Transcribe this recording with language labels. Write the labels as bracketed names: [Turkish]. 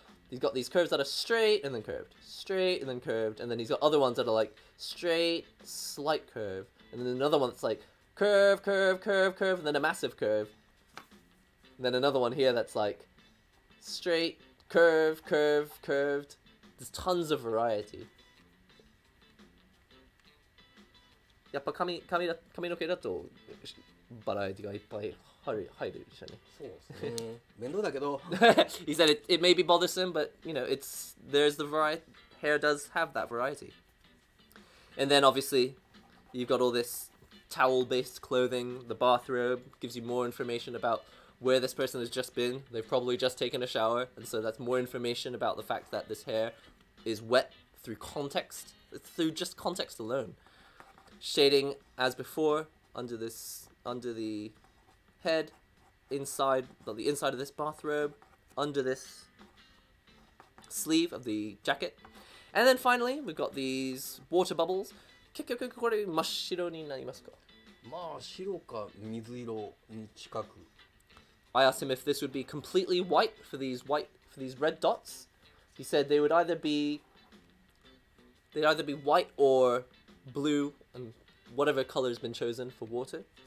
[English] He's got these curves that are straight and then curved, straight and then curved, and then he's got other ones that are like straight, slight curve, and then another one that's like curve, curve, curve, curve, and then a massive curve. And then another one here that's like straight, curve, curve, curved. There's tons of variety. [Japanese] やっぱ髪の毛だとバラエティがいっぱい入るでしょうね。そうですね。面倒だけど。 [English] He said it may be bothersome, but you know, there's the variety. Hair does have that variety. And then obviously, you've got all this towel-based clothing. The bathrobe gives you more information about where this person has just been. They've probably just taken a shower, and so that's more information about the fact that this hair is wet through context. It's through just context alone. Shading as before under the head, inside of this bathrobe, under this sleeve of the jacket, and then finally we've got these water bubbles. [Japanese] 結局これ真っ白になりますか？まあ白か水色に近く。 [English] I asked him if this would be completely white for these red dots. He said they'd either be white or blue. And whatever color has been chosen for water.